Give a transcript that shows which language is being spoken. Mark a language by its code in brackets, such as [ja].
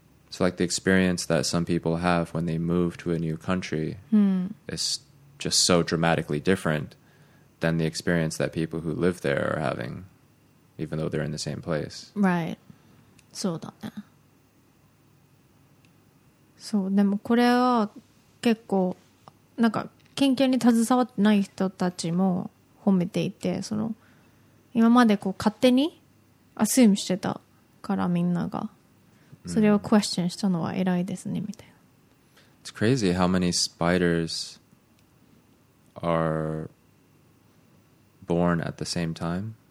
[en] So like the experience that some people have when they move to a new country、is just so dramatically different than the experience that people who live there are having, even though they're in the same place. Right. [ja] そうだね。そう、でもこれは結構なんか研究に携わってない人たちも褒めていて、その今までこう勝手にアスームしてたからみんなが。それをクエスチョンしたのは偉いですねみたいな。 [en] It's crazy how many spiders are born at the same time.